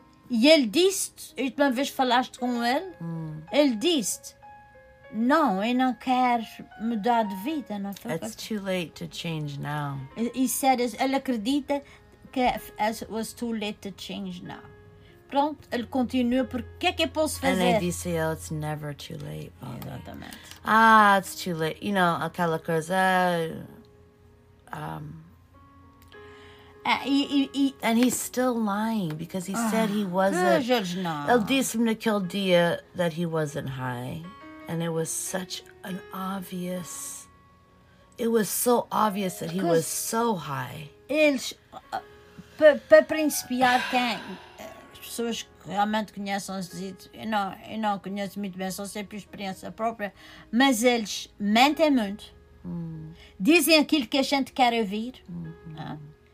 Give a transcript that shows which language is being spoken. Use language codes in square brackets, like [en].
[pt] E ele disse-te, a última vez falaste com ele, ele disse-te, não, eu não quero mudar de vida. Não foi [en] It's too late to change now. [pt] Ele acredita que [en] it was too late to change now. [pt] Pronto, ele continua, porque é que eu posso fazer? [en] And they disse, oh, it's never too late. Bobby. [pt] Exatamente. [en] Ah, it's too late. You know, [pt] aquela coisa... [en] And he's still lying because he said he wasn't. [pt] Ele disse naquele dia [en] that he wasn't high, and it was such an obvious. It was so obvious that he was so high. [pt] Eles, para principiar, quem as pessoas realmente conhecem, eu não conheço muito bem, só sei por experiência própria, mas eles mentem muito, dizem aquilo que a gente quer ouvir. Mm-hmm.